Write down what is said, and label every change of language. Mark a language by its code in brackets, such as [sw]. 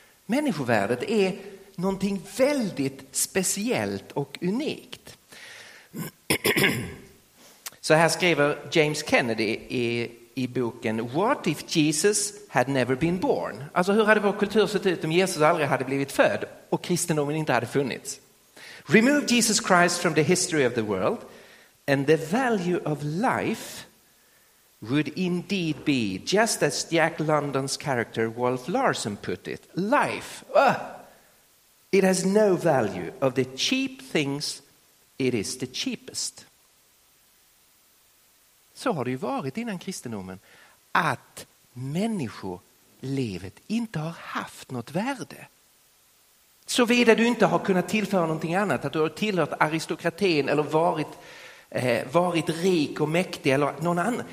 [sv] Människovärdet är någonting väldigt speciellt och unikt. Så här skriver James Kennedy i boken [en] What if Jesus had never been born? [sv] Alltså, hur hade vår kultur sett ut om Jesus aldrig hade blivit född och kristendomen inte hade funnits? [en] Remove Jesus Christ from the history of the world and the value of life would indeed be, just as Jack London's character Wolf Larsen put it, life. It has no value. Of the cheap things, it is the cheapest. [sv] Så har det ju varit innan kristendomen, att människolivet inte har haft något värde. Såvida du inte har kunnat tillföra någonting annat, att du har tillhört aristokratin eller varit rik och mäktig eller någon annan.